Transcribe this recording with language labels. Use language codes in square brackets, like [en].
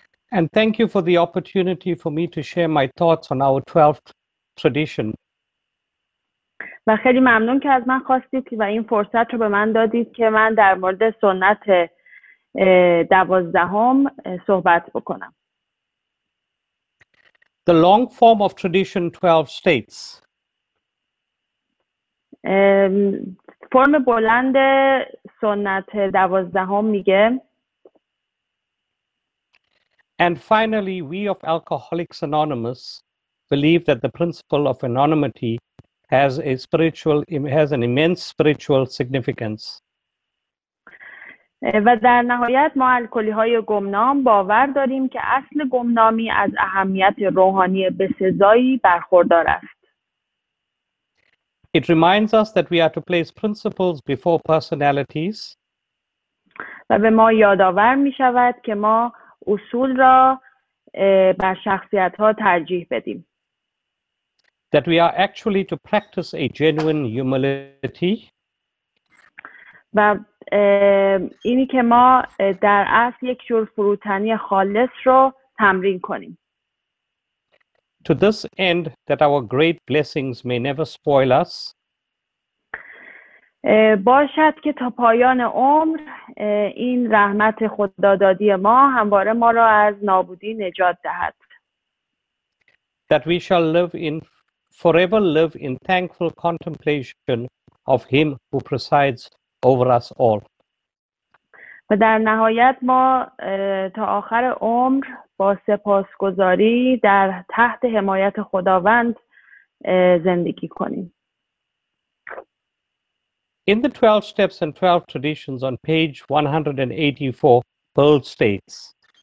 [en] And thank you for the opportunity for me to share my thoughts on our 12th tradition. [fa] و خیلی ممنون که از من خواستید و این فرصت رو به من دادید که من در مورد سنت 12ام صحبت بکنم. [en] The long form of tradition 12 states. [fa] فرم بلند سنت 12ام میگه [en] And finally, we of Alcoholics Anonymous believe that the principle of anonymity has a spiritual, has an immense spiritual significance. [fa] و در نهایت ما الکلی‌های گمنام باور داریم که اصل گمنامی از اهمیت روحانی بسزایی برخوردار است. [en] It reminds us that we are to place principles before personalities. [fa] و به ما یادآور می‌شود که ما اصول را بر شخصیت ها ترجیح بدیم. [en] That we are actually to practice a genuine humility. [fa] و اینی که ما در اصل یک جور فروتنی خالص را تمرین کنیم. [en] To this end that our great blessings may never spoil us. [fa] باشد که تا پایان عمر این رحمت خدادادی ما همواره ما را از نابودی نجات دهد. [en] That we shall live in forever live in thankful contemplation of him who presides over us all. [fa] و در نهایت ما تا آخر عمر با سپاسگزاری در تحت حمایت خداوند زندگی کنیم. [en] In the 12 steps and 12 traditions on page 184, Bold states.